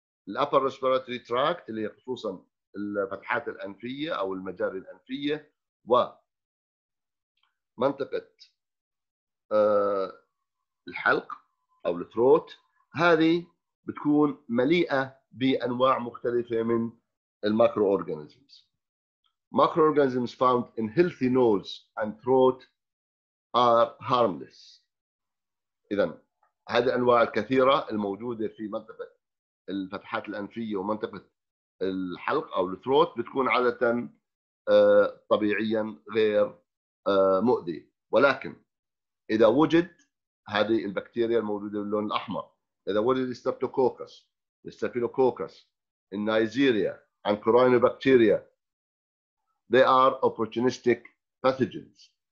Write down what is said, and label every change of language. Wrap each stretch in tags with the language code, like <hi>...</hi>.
<ar>الأبر respiratory tract اللي هي خصوصا الفتحات الأنفية أو المجاري الأنفية ومنطقة الحلق أو الثروت، هذه بتكون مليئة بأنواع مختلفة من الميكروorganisms.</ar> <en>Microorganisms found in healthy nose and throat are harmless.</en> <ar>إذن هذه الأنواع الكثيرة الموجودة في منطقة الفتحات الأنفية ومنطقة الحلق أو الثروت بتكون عادة طبيعيا غير مؤذي، ولكن إذا وجد هذه البكتيريا الموجودة باللون الأحمر، إذا وجد</ar> <en>Streptococcus, Staphylococcus, Neisseria and Cyanobacteria, they are opportunistic pathogens.</en>